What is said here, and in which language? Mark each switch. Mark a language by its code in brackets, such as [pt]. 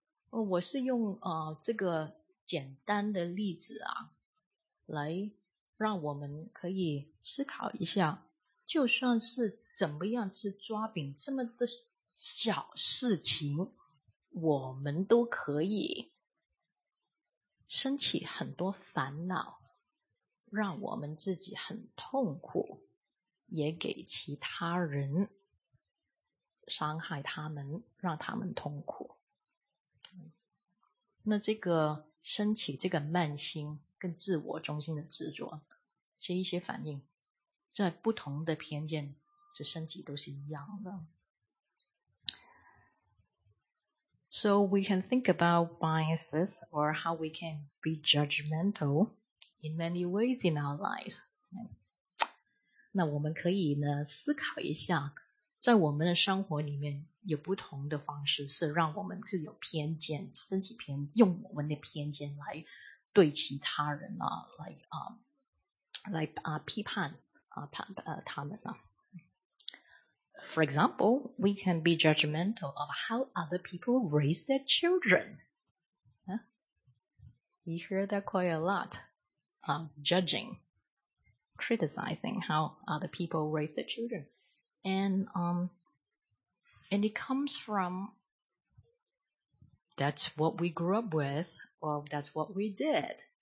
[zh] 我是用这个简单的例子啊，来让我们可以思考一下，就算是怎么样吃抓饼这么的小事情，我们都可以生起很多烦恼，让我们自己很痛苦，也给其他人伤害他们，让他们痛苦。那这个升起这个慢心跟自我中心的执着，这一些反应在不同的偏见这升起都是一样的。 [en] So we can think about biases or how we can be judgmental in many ways in our lives. [zh] 那我们可以呢思考一下，在我们的生活里面有不同的方式是让我们是有偏见，身体偏，用我们的偏见来对其他人啊，来批判他们啊。 [en] For example, we can be judgmental of how other people raise their children. We hear that quite a lot. Judging, criticizing how other people raise their children. And it comes from that's what we grew up with, or that's what we did.